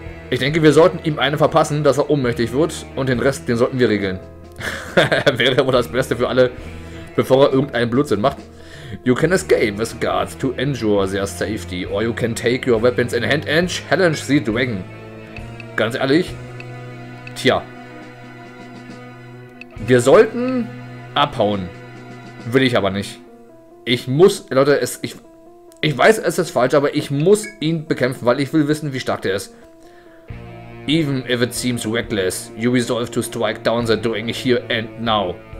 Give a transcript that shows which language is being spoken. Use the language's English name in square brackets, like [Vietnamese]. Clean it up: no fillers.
[German] Ich denke, wir sollten ihm eine verpassen, dass er ohnmächtig wird. Und den Rest, den sollten wir regeln. Wäre wohl das Beste für alle, bevor er irgendeinen Blödsinn macht. [English] You can escape with guards to ensure their safety, or you can take your weapons in hand and challenge the dragon. [German] Ganz ehrlich, tja, wir sollten abhauen, will ich aber nicht. Ich muss, Leute, ich weiß, es ist falsch, aber ich muss ihn bekämpfen, weil ich will wissen, wie stark der ist. [English] Even if it seems reckless, you resolve to strike down the dragon here and now.